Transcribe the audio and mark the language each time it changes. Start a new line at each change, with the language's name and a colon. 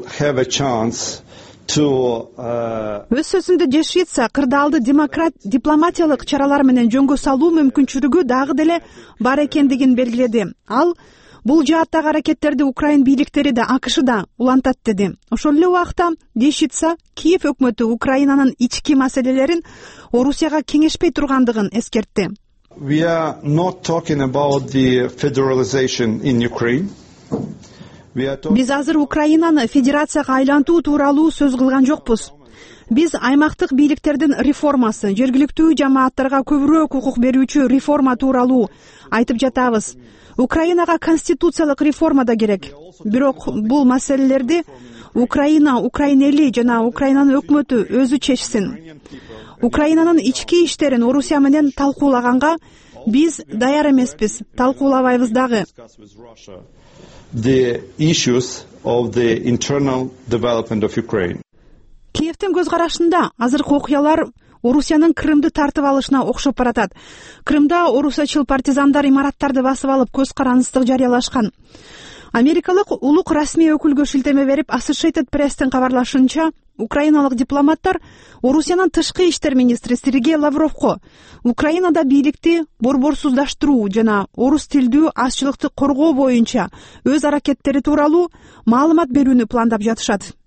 Kyrgyz: Өз сөзүндө Дешица кырдаалды дипломатиялык чаралар менен жөнгө салуу мүмкүнчүлүгү дагы деле бар экендигин белгиледи. Ал бул жааттагы аракеттерди Украин бийликтери да АКШ да улантат деди. Ошол эле убакта Дешица Киев өкмөтү Украинанын ички маселелерин Орусияга кеңешпей тургандыгын эскертти.
English: We are not talking about the federalization in Ukraine.
Kyrgyz: Биз азыр Украинаны федерацияга айлантуу тууралуу сөз кылган жокпуз. Биз аймактык бийликтердин реформасы, жергиликтүү жамааттарга көбүрөөк укук берүүчү реформа тууралуу айтып жатабыз. Украинага конституциялык реформа да керек. Бирок бул маселелерди Украина, Украин эли жана Украинанын өкмөтү өзү чечсин. Украинанын ички иштерин Орусия менен талкуулаганга биз даяр эмеспиз, талкуулабайбыз дагы.
English: The issues of the internal development of Ukraine.
Kyrgyz: Киевтин көз карашында азыркы окуялар Орусиянын Крымды тартып алышына окшоп баратат. Крымда орусачыл партизандар имараттарды басып алып, көз карандысыздык жарыялашкан. Америкалык улук расмий өкүлгө шилтеме берип, Associated Press'тин кабарлашынча, украиналык дипломаттар Орусиянын тышкы иштер министри Сергей Лавровко Украинада бийликти борборсуздаштыруу жана орус тилдүү азчылыкты коргоо боюнча өз аракеттери тууралуу маалымат берүүнү пландап жатышат.